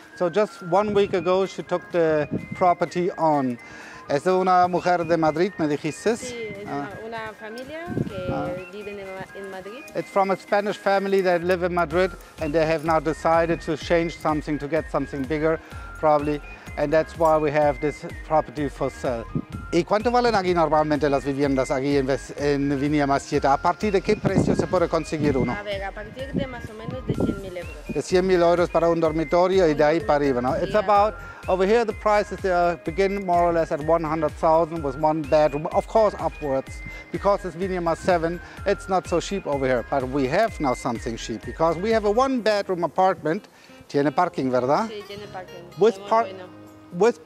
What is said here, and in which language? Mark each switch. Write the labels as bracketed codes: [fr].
[en] So just 1 week ago she took the property on. [es] ¿Es de una mujer de Madrid, me dijiste? Sí, una familia que vive en Madrid. [en] It's from a Spanish family that live in Madrid and they have now decided to change something to get something bigger, probably. And that's why we have this property for sale. [es] ¿Y cuánto valen aquí normalmente las viviendas aquí en Viña Masieta? ¿A partir de qué precio se puede conseguir uno? A ver, a partir de más o menos de 100.000 euros. De 100.000 euros para un dormitorio y de ahí para arriba, ¿no? [en] It's about, over here the prices they begin more or less at 100,000 with one bedroom. Of course upwards, because it's Viña Mas 7, it's not so cheap over here. But we have now something cheap, because we have a one bedroom apartment. [es] Tiene parking, ¿verdad? Sí, tiene parking. With